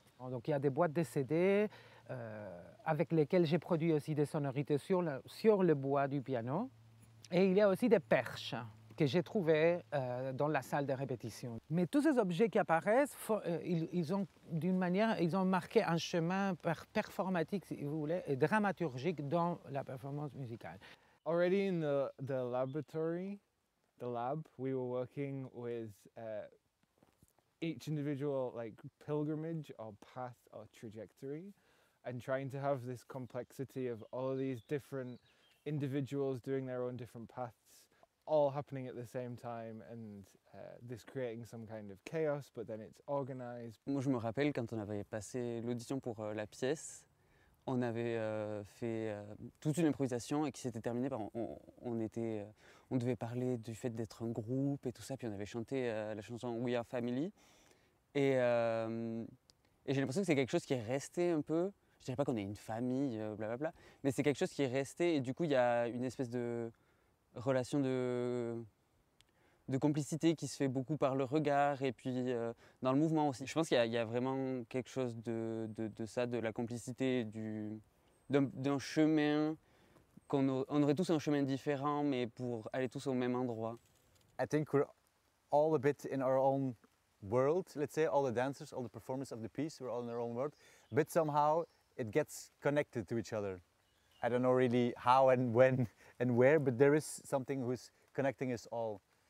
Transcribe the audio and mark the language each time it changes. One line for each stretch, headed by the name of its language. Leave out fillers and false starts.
French: Donc il y a des boîtes de CD avec lesquelles j'ai produit aussi des sonorités sur le bois du piano. Et il y a aussi des perches que j'ai trouvées dans la salle de répétition. Mais tous ces objets qui apparaissent, ils ont marqué un chemin performatique, si vous voulez, et dramaturgique dans la performance musicale.
English: Already in the laboratory, the lab, we were working with each individual like pilgrimage or path or trajectory, and trying to have this complexity of all of these different individuals doing their own different paths, all happening at the same time, and this creating some kind of chaos, but then it's organized.
French: Moi, je me rappelle quand on avait passé l'audition pour la pièce, on avait fait toute une improvisation et qui s'était terminée par on était on devait parler du fait d'être un groupe et tout ça, puis on avait chanté la chanson We Are Family. Et j'ai l'impression que c'est quelque chose qui est resté un peu. Je ne dirais pas qu'on est une famille, blablabla, mais c'est quelque chose qui est resté. Et du coup, il y a une espèce de relation de complicité qui se fait beaucoup par le regard et puis dans le mouvement aussi. Je pense qu'il y a vraiment quelque chose de ça, de la complicité, d'un chemin. On aurait tous un chemin différent, mais pour aller tous au même endroit.
English: I think we're all a bit in our own world, let's say, all the dancers, all the performers of the piece, we're all in our own world, but somehow it gets connected to each other. I don't know really how and when and where, but there is something who's connecting us all.